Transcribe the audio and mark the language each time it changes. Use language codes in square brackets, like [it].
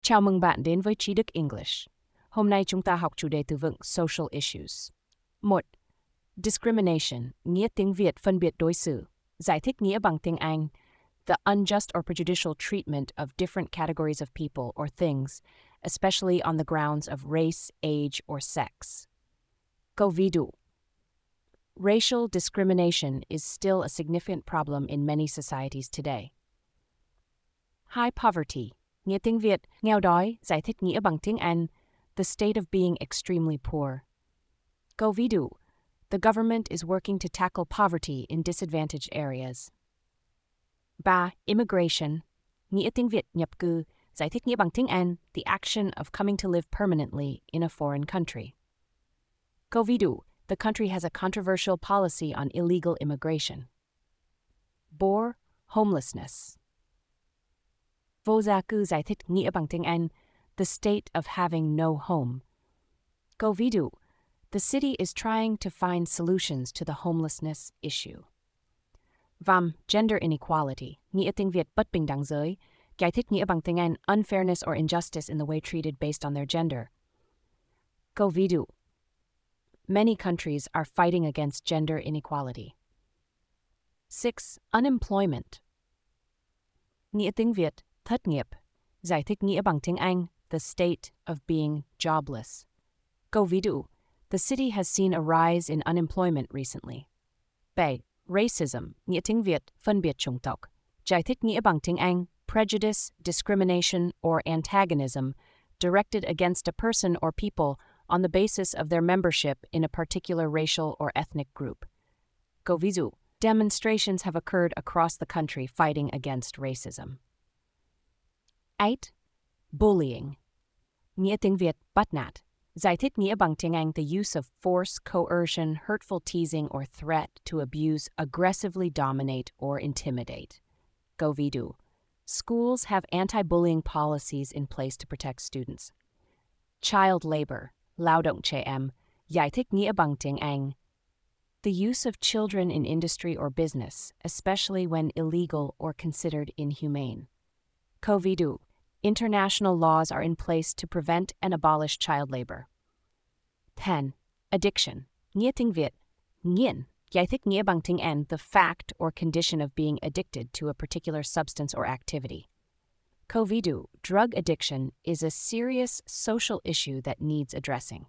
[vi] Chào mừng bạn đến với Trí Đức English. Hôm nay chúng ta học chủ đề từ vựng Social Issues. 1. Discrimination, nghĩa tiếng Việt phân biệt đối xử. Giải thích nghĩa bằng tiếng Anh. [en] The unjust or prejudicial treatment of different categories of people or things, especially on the grounds of race, age, or sex. [vi] Câu ví dụ. [en] Racial discrimination is still a significant problem in many societies today. High poverty. [vi] Nghĩa tiếng Việt, nghèo đói, giải thích nghĩa bằng tiếng Anh, [en] the state of being extremely poor. [vi] Câu ví dụ, [en] the government is working to tackle poverty in disadvantaged areas. 3. Immigration, [vi] nghĩa tiếng Việt, nhập cư, giải thích nghĩa bằng tiếng Anh, [en] the action of coming to live permanently in a foreign country. [vi] Câu ví dụ, [en] the country has a controversial policy on illegal immigration. 4. Homelessness. [vi] Vô gia cư giải thích nghĩa bằng tiếng Anh, [en] the state of having no home. [vi] Câu ví dụ, [en] the city is trying to find solutions to the homelessness issue. 5. [vi] Gender inequality, nghĩa tiếng Việt bất bình đẳng giới, giải thích nghĩa bằng tiếng Anh, [en] unfairness or injustice in the way treated based on their gender. [vi] Câu ví dụ, [en] many countries are fighting against gender inequality. 6. [vi] Unemployment, nghĩa tiếng Việt thất nghiệp, giải thích nghĩa bằng tiếng Anh, [en] the state of being jobless. [vi] Câu ví dụ, [en] the city has seen a rise in unemployment recently. 7. Racism, [vi] nghĩa tiếng Việt, phân biệt chủng tộc, giải thích nghĩa bằng tiếng Anh, [en] prejudice, discrimination, or antagonism directed against a person or people on the basis of their membership in a particular racial or ethnic group. [vi] Câu ví dụ, [en] demonstrations have occurred across the country fighting against racism. 8. Bullying, [vi] nghĩa tiếng Việt bắt nạt, giải thích nghĩa bằng tiếng Anh [en] the use of force, coercion, hurtful teasing or threat to abuse, aggressively dominate or intimidate. [vi] Câu ví dụ, [en] schools have anti-bullying policies in place to protect students. Child labor, [vi] lao động trẻ em, giải thích nghĩa bằng tiếng Anh [en] the use of children in industry or business, especially when illegal or considered inhumane. [vi] Câu ví dụ, [en] international laws are in place to prevent and abolish child labor. 10. Addiction, [vi] nghĩa tiếng Việt, nghiện, giải thích nghĩa bằng tiếng Anh, [en] the fact or condition of being addicted to a particular substance or activity. [vi] Câu ví dụ, [en] drug addiction is a serious social issue that needs addressing.